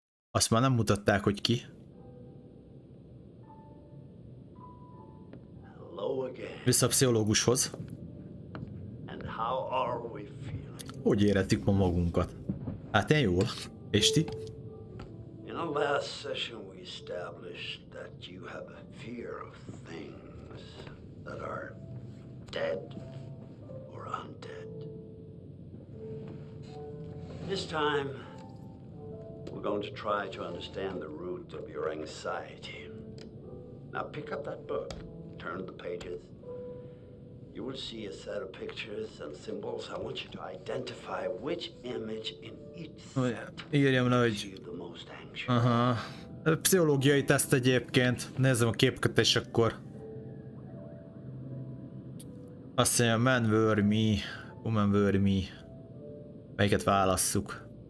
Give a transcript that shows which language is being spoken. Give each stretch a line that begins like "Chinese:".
Hungarian: Azt már nem mutatták, hogy ki.
English: Hello again.
Hungarian: Vissza a pszichológushoz.
English: And how are we feeling?
Hungarian: Hogy érezzük ma magunkat? Hát én jól. És ti?
English: In the last session we established that you have a fear of things that are dead or undead. This time, we're going to try to understand the root of your anxiety. Now pick up that book, turn the pages. You will see a set of pictures and symbols. I want you to identify which image in each set makes you the most anxious. Uh-huh.
Hungarian: Pszichológiai teszt egyébként. Nézzem a képket, és akkor... Azt mondja,
English: man worry me, woman worry me.
Hungarian: Melyiket válasszuk?